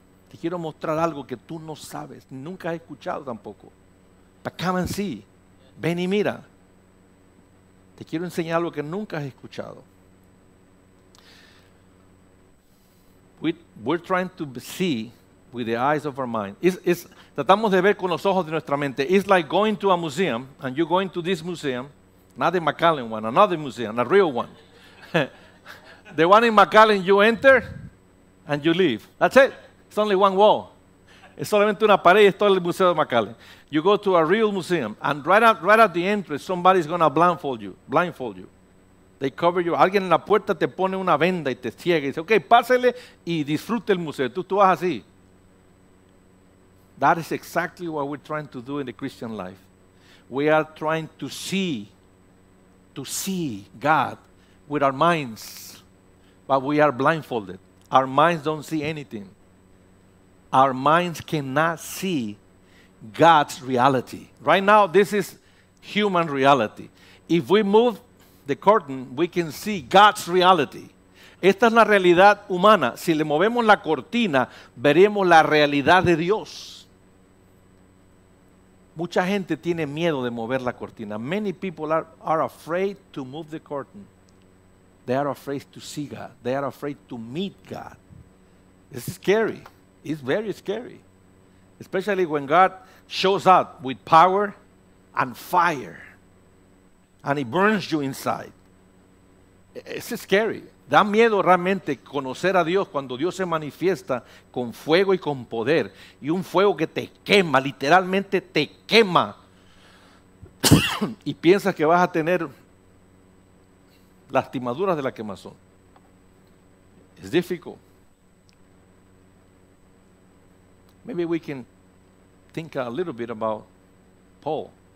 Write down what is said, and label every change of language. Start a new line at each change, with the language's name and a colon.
Spanish: Te quiero mostrar algo que tú no sabes, nunca has escuchado tampoco.
English: But come and see.
Spanish: Ven y mira. Te quiero enseñar algo que nunca has escuchado.
English: We're trying to see with the eyes of our mind.
Spanish: Tratamos de ver con los ojos de nuestra mente.
English: It's like going to a museum, and you're going to this museum, not the McAllen one, another museum, a real one. The one in McAllen, you enter and you leave. That's it. It's only one wall.
Spanish: Es solamente una pared y es todo el museo de McAllen.
English: You go to a real museum, and right at the entrance, somebody's going to blindfold you. They cover you.
Spanish: Alguien en la puerta te pone una venda y te ciega. Y dice, okay, pásele y disfrute el museo. Tú vas así.
English: That is exactly what we're trying to do in the Christian life. We are trying to see God with our minds. But we are blindfolded. Our minds don't see anything. Our minds cannot see God's reality. Right now, this is human reality. If we move the curtain, we can see God's reality.
Spanish: Esta es la realidad humana. Si le movemos la cortina, veremos la realidad de Dios. Mucha gente tiene miedo de mover la cortina.
English: Many people are afraid to move the curtain. They are afraid to see God. They are afraid to meet God. It's scary. It's very scary. Especially when God shows up with power and fire. And it burns you inside. It's scary.
Spanish: Da miedo realmente conocer a Dios cuando Dios se manifiesta con fuego y con poder. Y un fuego que te quema, literalmente te quema. Y piensas que vas a tener lastimaduras de la quemazón.
English: It's difficult. Maybe we can think a little bit about Paul.